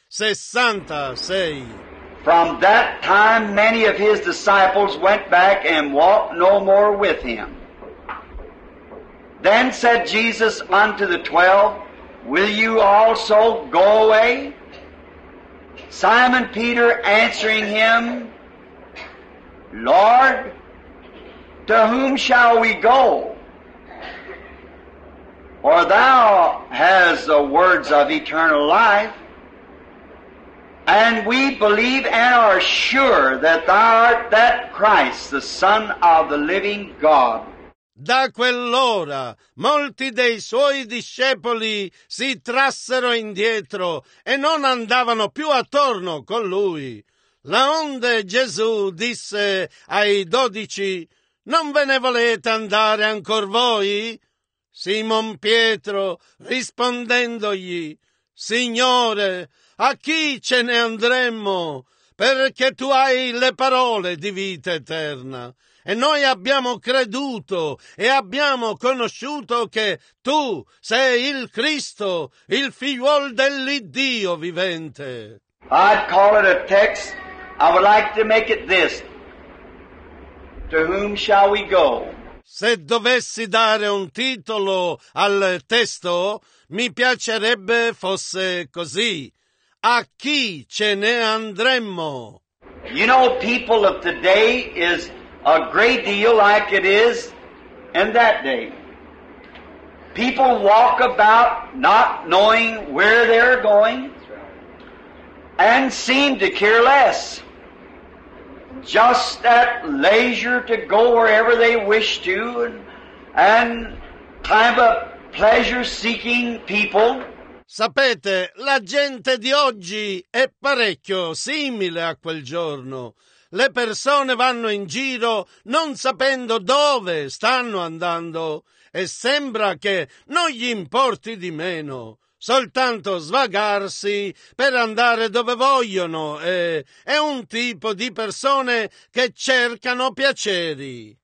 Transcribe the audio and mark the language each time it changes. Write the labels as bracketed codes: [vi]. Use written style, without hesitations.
[en] 66. From that time many of his disciples went back and walked no more with him. Then said Jesus unto the 12, Will you also go away? Simon Peter answering him, Lord, to whom shall we go? For thou hast the words of eternal life, and we believe and are sure that thou art that Christ, the Son of the living God. [it] Da quell'ora molti dei suoi discepoli si trassero indietro e non andavano più attorno con lui. Laonde Gesù disse ai 12, Non ve ne volete andare ancor voi? Simon Pietro rispondendogli, Signore, a chi ce ne andremmo? Perché tu hai le parole di vita eterna. E noi abbiamo creduto e abbiamo conosciuto che tu sei il Cristo, il figliuol dell'Iddio vivente. [en] I'd call it a text. I would like to make it this. To whom shall we go? [it] Se dovessi dare un titolo al testo, mi piacerebbe fosse così. A chi ce ne andremmo? [en] You know, people of today is a great deal like it is in that day. People walk about not knowing where they're going and seem to care less. Just at leisure to go wherever they wish to and climb up pleasure-seeking people. [it] Sapete, la gente di oggi è parecchio simile a quel giorno. Le persone vanno in giro non sapendo dove stanno andando e sembra che non gli importi di meno. Soltanto svagarsi per andare dove vogliono è un tipo di persone che cercano piaceri.